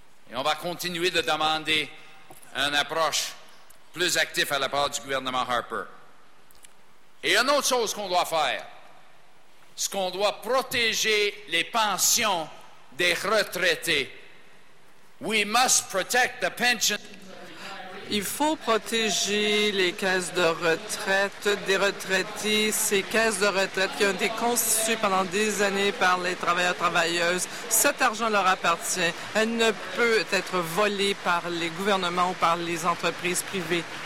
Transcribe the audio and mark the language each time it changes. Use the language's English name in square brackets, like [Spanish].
[French] Et on va continuer de demander une approche plus active à la part du gouvernement Harper. Et une autre chose qu'on doit faire, c'est qu'on doit protéger les pensions des retraités. [English] We must protect the pension. [French] Il faut protéger les caisses de retraite des retraités, ces caisses de retraite qui ont été constituées pendant des années par les travailleurs et travailleuses. Cet argent leur appartient. Elle ne peut être volée par les gouvernements ou par les entreprises privées.